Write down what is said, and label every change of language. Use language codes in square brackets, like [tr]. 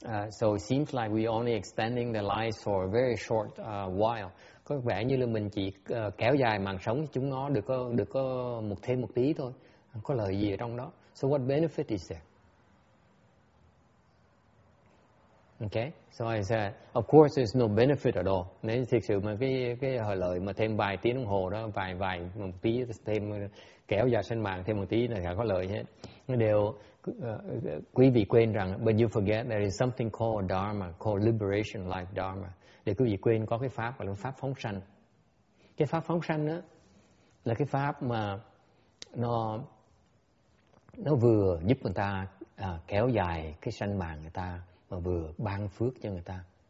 [en] So it seems like we only extending the lives for a very short while. [vi] Có vẻ như là mình chỉ kéo dài mạng sống chúng nó được có một thêm một tí thôi. Không có lời gì ở trong đó. [en] So what benefit is there? Okay, so I said, of course, there's no benefit at all. [vi] Nên thực sự mà cái hồi lợi mà thêm vài tiếng đồng hồ đó, vài một tí thêm kéo dài sinh mạng thêm một tí là chẳng có lợi hết. Điều quý vị quên rằng, [en] but you forget there is something called dharma, called liberation life dharma. [vi] Để quý vị quên có cái pháp gọi là pháp phóng sanh. Cái pháp phóng sanh đó là cái pháp mà nó vừa giúp người ta kéo dài cái sinh mạng người ta. Mà vừa ban phước cho người ta.